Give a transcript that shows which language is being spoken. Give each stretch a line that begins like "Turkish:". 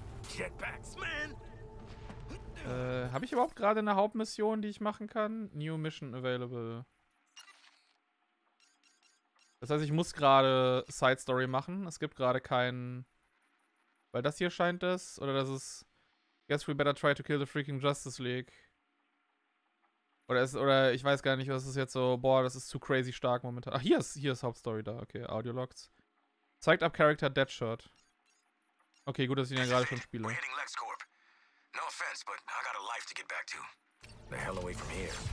English: Jetpacks, man!
German: Habe ich überhaupt gerade eine Hauptmission, die ich machen kann?
English: New Mission available.
German: Das heißt, ich muss gerade Side Story machen. Es gibt gerade keinen. Weil das hier scheint es. Oder das ist.
English: Guess we better try to kill the freaking Justice League.
German: Oder ich weiß gar nicht, was ist jetzt so. Boah, das ist zu crazy stark momentan. Ach, hier ist Hauptstory da. Okay, Audio Logs. Zeigt ab Charakter Deadshot. Okay, gut, dass ich ihn ja gerade schon spiele.
English: No offense, but I got a life to get back to. The hell away from here.